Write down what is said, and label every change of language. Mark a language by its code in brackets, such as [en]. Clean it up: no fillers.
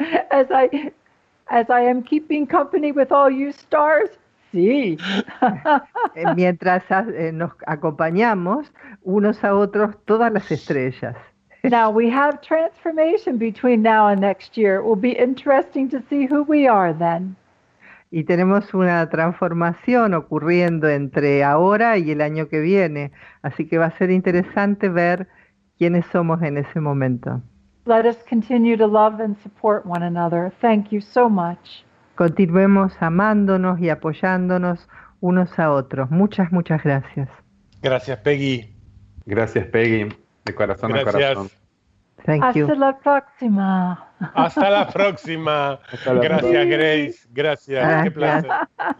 [en] As I am keeping company with all you stars, sí. [es] Mientras nos acompañamos unos a otros todas las estrellas. [en] Now we have transformation between now and next year. It will be interesting to see who we are then. [es] Y tenemos una transformación ocurriendo entre ahora y el año que viene, así que va a ser interesante ver quiénes somos en ese momento. [en] Let us continue to love and support one another. Thank you so much. [es] Continuemos amándonos y apoyándonos unos a otros. Muchas, muchas gracias. Gracias, Peggy. Gracias, Peggy. De corazón gracias. A corazón. [en] Thank you. [es] Hasta la próxima. Hasta la próxima. Hasta la gracias, próxima. Grace. Gracias. Gracias. Qué placer. Gracias.